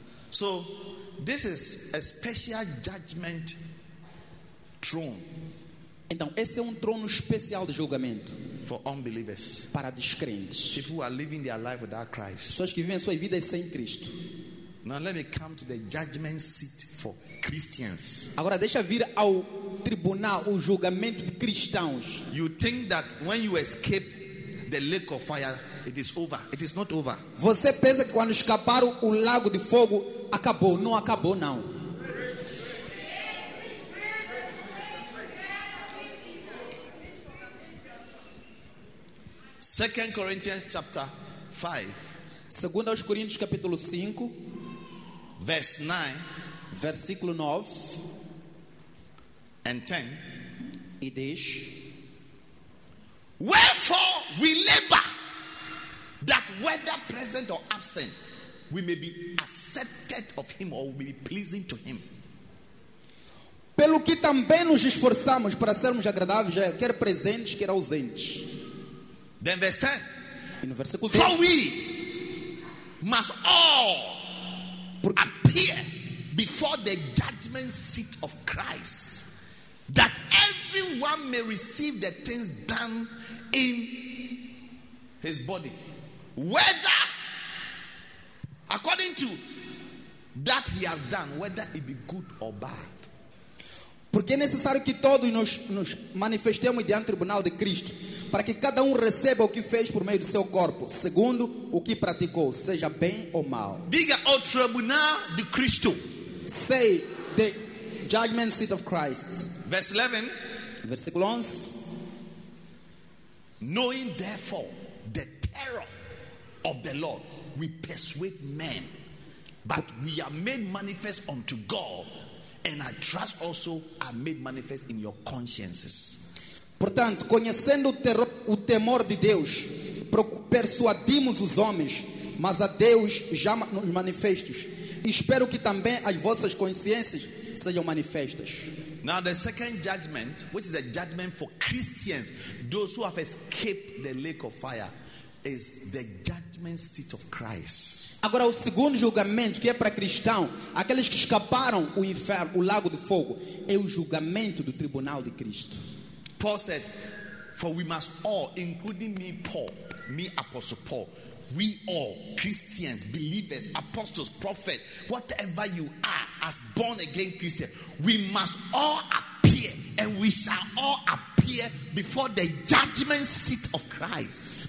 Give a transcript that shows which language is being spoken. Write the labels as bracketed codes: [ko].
[en] So, this is a special judgment throne. [pt] Então, esse é trono especial de julgamento. [en] For unbelievers, [pt] para descrentes, [en] people who are living their life without Christ, [pt] pessoas que vivem suas vidas sem Cristo. [en] Now let me come to the judgment seat for Christians. [pt] Agora deixa vir ao tribunal o julgamento de cristãos. [en] You think that when you escape the lake of fire, it is over? It is not over. [pt] Você pensa que quando escaparam o lago de fogo acabou? Não acabou não. [en] Second Corinthians chapter 5. [pt] Segunda aos Coríntios capítulo 5. [en] Verse 9. [pt] Versículo 9. [en] And 10. [pt] E diz: [en] wherefore we labor, that whether present or absent, we may be accepted of him, or we may be pleasing to him. [pt] Pelo que também nos esforçamos para sermos agradáveis, quer presentes, quer ausentes. [en] Then verse 10. [pt] E no versículo [en] 10. For we must all appear before the judgment seat of Christ, that everyone may receive the things done in his body, whether according to that he has done, whether it be good or bad. [pt] Porque é necessário que todos nos manifestemos diante do tribunal de Cristo, para que cada receba o que fez por meio do seu corpo, segundo o que praticou, seja bem ou mal. Diga ao tribunal de Cristo. [en] Say the judgment seat of Christ. Verse 11. [pt] Versículo 11. [en] Knowing therefore the terror of the Lord, we persuade men, but we are made manifest unto God. And I trust also are made manifest in your consciences. [pt] Portanto, conhecendo o temor de Deus, persuadimos os homens, mas a Deus já nos manifestos. Espero que também as vossas consciências sejam manifestas. [en] Now the second judgment, which is a judgment for Christians, those who have escaped the lake of fire, is the judgment seat of Christ. [pt] Agora o segundo julgamento, que é para cristão, aqueles que escaparam o inferno, o lago de fogo, é o julgamento do tribunal de Cristo. [en] Paul said, for we must all, including me, Paul, me, Apostle Paul, we all, Christians, believers, apostles, prophets, whatever you are, as born again Christians, we must all appear, and we shall all appear before the judgment seat of Christ.